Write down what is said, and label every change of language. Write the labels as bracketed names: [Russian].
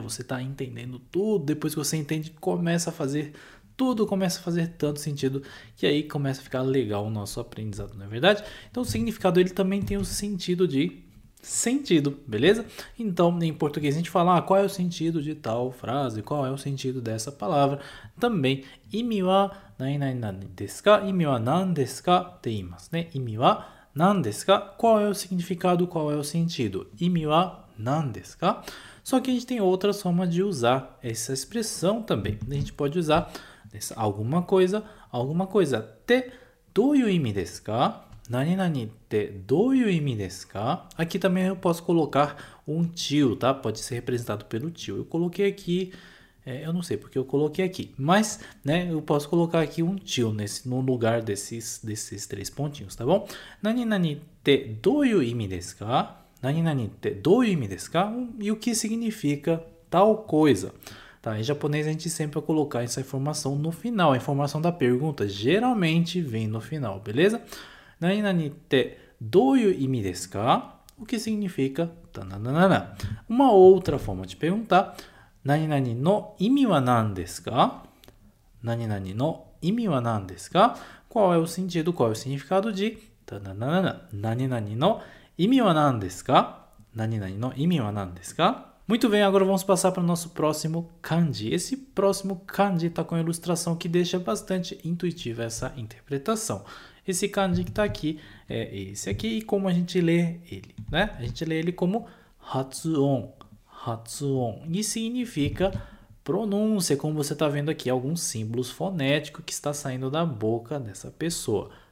[Portuguese] Você tá entendendo tudo, depois que você entende, começa a fazer tudo, começa a fazer tanto sentido, que aí começa a ficar legal o nosso aprendizado, não é verdade? Então, o significado ele também tem o sentido de sentido, beleza? Então, em português, a gente fala qual é o sentido de tal frase, qual é o sentido dessa palavra. Também, [Japanese] 意味は何々ですか?意味は何ですか? って言いますね。意味は何ですか? [Portuguese] qual é o significado, qual é o sentido? [Japanese] 意味は何ですか? [Portuguese] só que a gente tem outra forma de usar essa expressão também. A gente pode usar alguma coisa, alguma coisa. [Japanese] て、どういう意味ですか?何々ってどういう意味ですか? [Portuguese] aqui também eu posso colocar um tio, tá? Pode ser representado pelo tio. Eu coloquei aqui, eu não sei porque eu coloquei aqui, mas, né, eu posso colocar aqui um tio no lugar desses três pontinhos, tá bom? [Japanese] 何々ってどういう意味ですか?何々ってどういう意味ですか? [Portuguese] e o que significa tal coisa? Tá, em japonês a gente sempre vai colocar essa informação no final. A informação da pergunta geralmente vem no final, beleza? [Japanese] 何々ってどういう意味ですか? [Portuguese] お que significa? たなななな。 uma outra forma de perguntar: [Japanese] 何々の意味は何ですか? 何々の意味は何ですか? [Portuguese] qual é o sentido, qual é o significado de たなななな。 [Japanese] 何々の意味は何ですか?何々の意味は何ですか? [Portuguese] muito bem, agora vamos passar para o nosso próximo kanji. Esse próximo kanji está com a ilustração que deixa bastante intuitiva essa interpretação. Esse kanji que está aqui é esse aqui, e como a gente lê ele, né? A gente lê ele como hatsuon, hatsuon, e significa pronúncia, como você está vendo aqui, alguns símbolos fonéticos que está saindo da boca dessa pessoa.